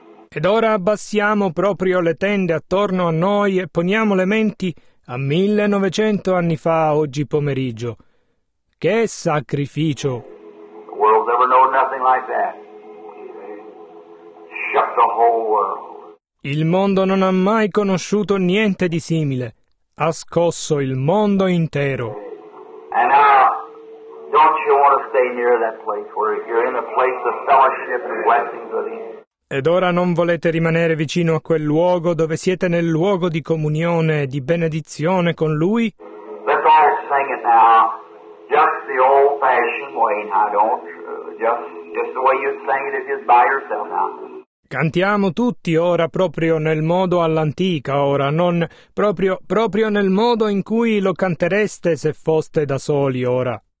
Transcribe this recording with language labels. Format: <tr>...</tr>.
<it>Ed ora abbassiamo proprio le tende attorno a noi e poniamo le menti a 1900 anni fa, oggi pomeriggio. Che sacrificio!</it> <en>The world's ever known nothing like that. Shut the whole world.</en> <it>Il mondo non ha mai conosciuto niente di simile. Ha scosso il mondo intero.</it> <en>And don't you want to stay near that place where you're in a place of fellowship and blessings with him?</en> <it>Ed ora non volete rimanere vicino a quel luogo dove siete nel luogo di comunione e di benedizione con Lui?</it> <en>Let's all sing it now, just the old-fashioned way, now don't, just the way you sing it if you're by yourself now.</en> <it>Cantiamo tutti ora proprio nel modo all'antica, ora, non proprio nel modo in cui lo cantereste se foste da soli ora.</it>